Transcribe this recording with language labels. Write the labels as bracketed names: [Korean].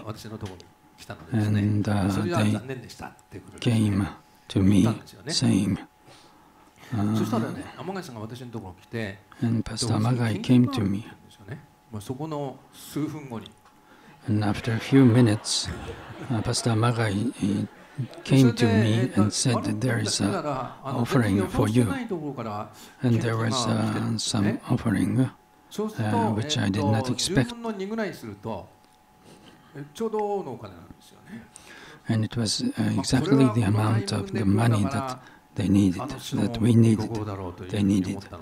[Japanese] 私のところ来たのですね。 [English] And they came. To me, same. [Japanese] そしたらね、天貝さんが私のところに来て、 [English] And Pastor Amagai came to me. [Japanese] そこの数分後に。 [English] And after a few minutes, Pastor Amagai came to me and said that there is an offering for you. And there was some offering which I did not expect. [Japanese] そうすると、10分の2ぐらいすると、ちょうどのお金なんですよね。 [English] And it was exactly the amount of the money that they needed, that we needed, they needed.